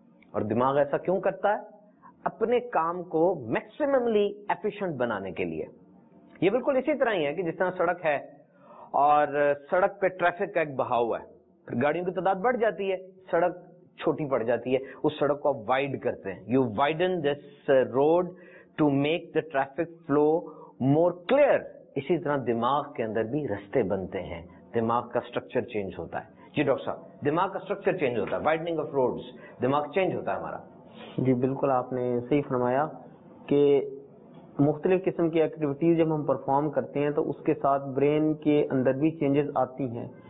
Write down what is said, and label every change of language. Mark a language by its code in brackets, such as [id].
[ur] اور دماغ ایسا کیوں کرتا ہے؟ اپنے کام کو میکسیممی ایفیشنٹ بنانے کے لیے. یہ بالکل اسی طرح ہی ہے کہ جس طرح سڑک ہے اور سڑک پہ ٹریفک کا ایک بہاؤ ہے, پھر گاڑیوں کی تعداد بڑھ جاتی ہے, سڑک چھوٹی پڑ جاتی ہے, اس سڑک کو آپ وائڈ کرتے ہیں. [en] You widen this road to make the traffic flow more clear. [ur] اسی طرح دماغ کے اندر بھی رستے بنتے ہیں, دماغ کا سٹرکچر چینج ہوتا ہے. جی ڈاکٹر صاحب, دماغ کا سٹرکچر چینج ہوتا ہے, وائڈنگ آف روڈز, دماغ چینج ہوتا ہے ہمارا. جی بالکل, آپ نے صحیح فرمایا کہ مختلف قسم کی ایکٹیویٹیز جب ہم پرفارم کرتے ہیں تو اس کے ساتھ برین کے اندر بھی چینجز آتی ہیں.